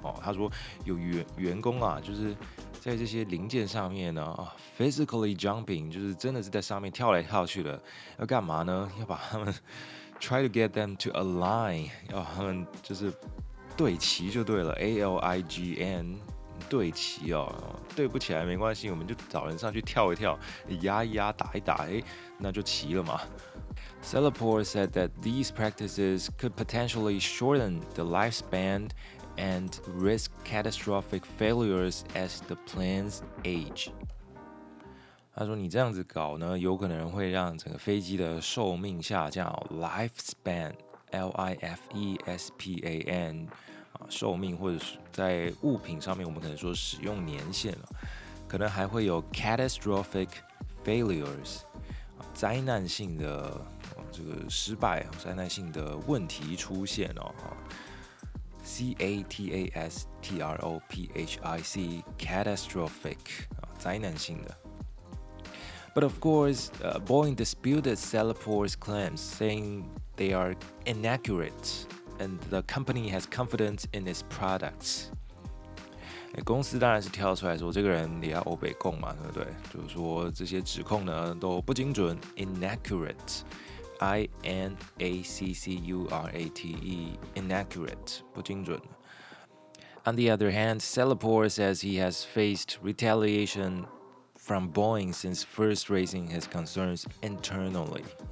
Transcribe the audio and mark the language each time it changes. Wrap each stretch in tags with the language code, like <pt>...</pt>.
<zh>哦、他说有 员工啊，就是在这些零件上面呢、 physically jumping，就是真的是在上面跳来跳去的。要干嘛呢？要把他们 try to get them to align，要把他们就是对齐就对了 ，align 对齐哦。对不起来没关系，我们就找人上去跳一跳，压一压，打一打，那就齐了嘛。</zh> <en>Salapour said that these practices could potentially shorten the lifespan and risk catastrophic failures as the planes age.</en> <zh>他说你这样子搞呢，有可能会让整个飞机的寿命下降。 Lifespan, L-I-F-E-S-P-A-N, 寿命或者在物品上面我们可能说使用年限了，可能还会有 catastrophic failures, 灾难性的这个失败、灾难性的问题出现哦 ，catastrophic， catastrophic， 灾难性的。</zh> <en>But of course,、Boeing disputed Salapour's claims, saying they are inaccurate, and the company has confidence in its products.</en> <zh>公司当然是跳出来说，这个人也要欧北控嘛，对不对？就是说这些指控呢都不精准 ，inaccurate。</zh> <en>I-N-A-C-C-U-R-A-T-E, inaccurate, 不精准。 On the other hand, Salapour says he has faced retaliation from Boeing since first raising his concerns internally.</en>